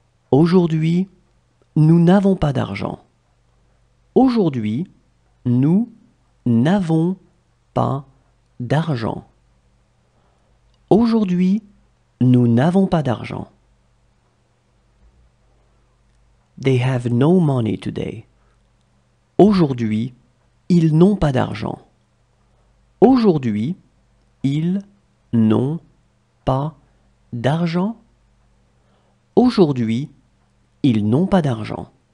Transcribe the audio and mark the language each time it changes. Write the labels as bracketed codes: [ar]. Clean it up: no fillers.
[fr] Aujourd'hui, nous n'avons pas d'argent. Aujourd'hui, nous n'avons pas d'argent. Aujourd'hui, nous n'avons pas d'argent. [en] They have no money today. [fr] Aujourd'hui, ils n'ont pas d'argent. Aujourd'hui, ils n'ont pas d'argent. Aujourd'hui, ils n'ont pas d'argent.